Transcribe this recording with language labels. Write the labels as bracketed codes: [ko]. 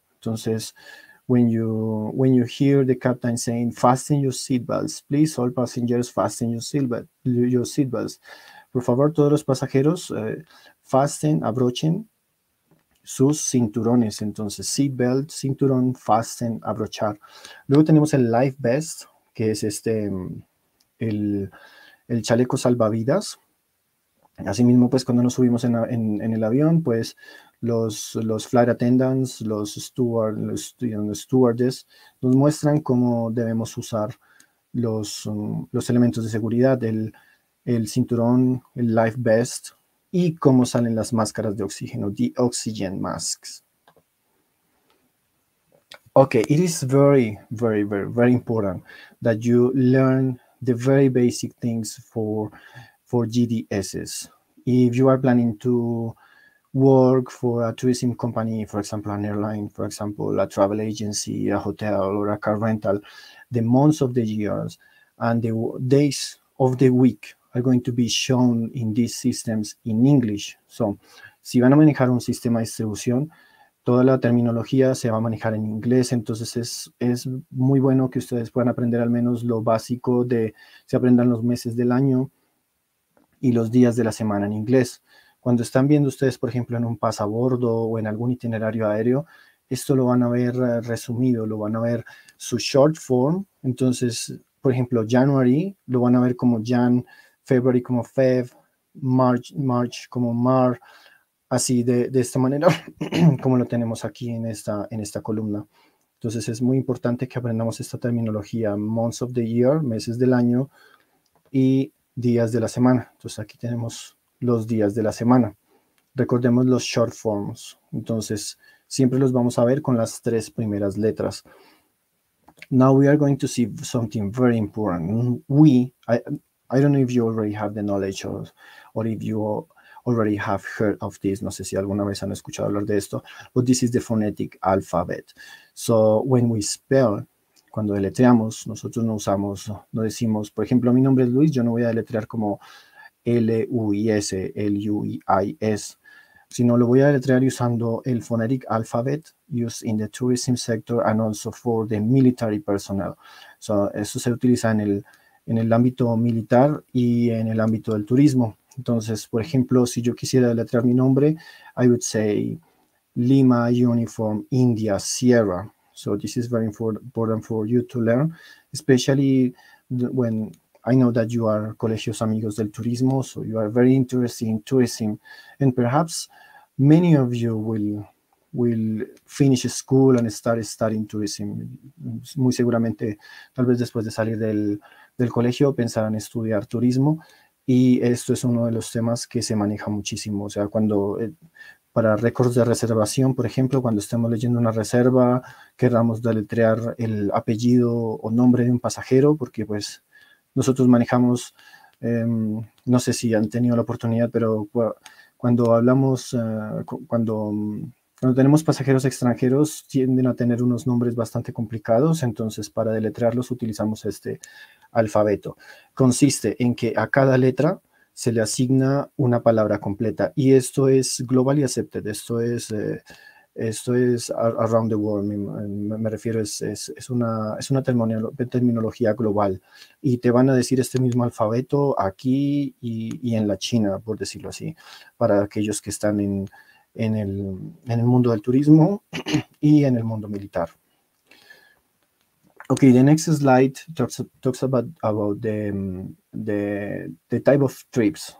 [en] Entonces, when you hear the captain saying, fasten your seatbelts, please all passengers, fasten your seatbelts. [es] Por favor, todos los pasajeros, fasten, abrochen sus cinturones. Entonces, seatbelt, cinturón, fasten, abrochar. Luego tenemos el life vest, que es el chaleco salvavidas. Asimismo, pues, cuando nos subimos en el avión, pues, los flight attendants, los stewardess, nos muestran cómo debemos usar los elementos de seguridad, el cinturón, el life vest, y cómo salen las máscaras de oxígeno, [en] the oxygen masks. Okay, it is very, very, very, very important that you learn the very basic things for GDSs. If you are planning to work for a tourism company, for example, an airline, for example, a travel agency, a hotel, or a car rental, the months of the years and the days of the week are going to be shown in these systems in English. [es] So, si van a manejar un sistema de distribución, toda la terminología se va a manejar en inglés. Entonces, es muy bueno que ustedes puedan aprender al menos lo básico de, se aprendan los meses del año y los días de la semana en inglés. Cuando están viendo ustedes, por ejemplo, en un pasabordo o en algún itinerario aéreo, esto lo van a ver resumido, lo van a ver su short form. Entonces, por ejemplo, January lo van a ver como Jan, February como Feb, March como Mar, así de esta manera, como lo tenemos aquí en esta columna. Entonces, es muy importante que aprendamos esta terminología, [en] months of the year, [es] meses del año, y días de la semana. Entonces, aquí tenemos los días de la semana. Recordemos los short forms. Entonces, siempre los vamos a ver con las tres primeras letras. [en] Now we are going to see something very important. I don't know if you already have the knowledge or if you already have heard of this. [es] No sé si alguna vez han escuchado hablar de esto. [en] But this is the phonetic alphabet. So when we spell, [es] cuando deletreamos, nosotros no usamos, no decimos, por ejemplo, mi nombre es Luis, yo no voy a deletrear como L-U-I-S, L-U-I-S, sino lo voy a deletrear usando el phonetic alphabet [en] used in the tourism sector and also for the military personnel. [es] So eso se utiliza en el ámbito militar y en el ámbito del turismo. Entonces, por ejemplo, si yo quisiera deletrear mi nombre, [en] I would say [es] Lima Uniform India Sierra. [en] So this is very important for you to learn, especially when I know that you are [es] colegios amigos del turismo, [en] so you are very interested in tourism, and perhaps many of you will finish school and start studying tourism. [es] Muy seguramente, tal vez después de salir del colegio, pensarán estudiar turismo, y esto es uno de los temas que se maneja muchísimo. O sea, cuando para récords de reservación, por ejemplo, cuando estemos leyendo una reserva, queramos deletrear el apellido o nombre de un pasajero, porque pues nosotros manejamos, no sé si han tenido la oportunidad, pero cuando hablamos, cuando tenemos pasajeros extranjeros, tienden a tener unos nombres bastante complicados. Entonces, para deletrearlos, utilizamos este alfabeto. Consiste en que a cada letra se le asigna una palabra completa. Y esto es [en] globally accepted. [es] Esto es [en] around the world, [es] me refiero, es una terminología global. Y te van a decir este mismo alfabeto aquí y en la China, por decirlo así, para aquellos que están en el mundo del turismo y en el mundo militar. [en] Okay, the next slide talks about the type of trips.